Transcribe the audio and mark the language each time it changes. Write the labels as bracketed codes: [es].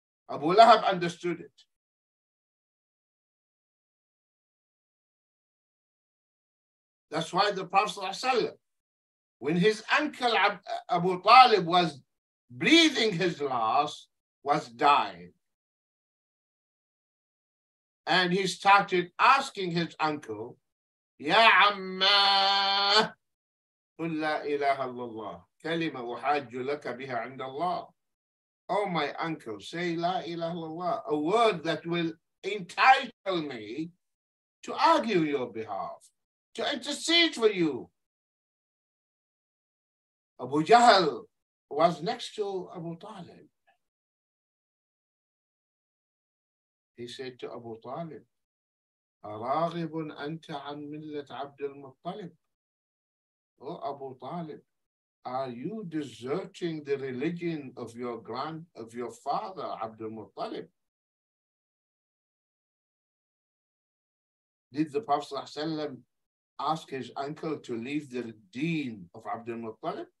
[en] Abu Lahab understood it. That's why the Prophet, when his uncle Abu Talib was breathing his last, was dying. And he started asking his uncle, [ar] Ya Amma, قل لا إله إلا الله كلمة أحاج لك بها عند الله. [en] Oh, my uncle, say La ilaha illallah, a word that will entitle me to argue your behalf, to intercede for you. Abu Jahl was next to Abu Talib. He said to Abu Talib, [ar] أراغب أنت عن ملة عبد المطلب? [en] Oh, Abu Talib, are you deserting the religion of your father, Abdul Muttalib? Did the Prophet ﷺ ask his uncle to leave the deen of Abdul Muttalib?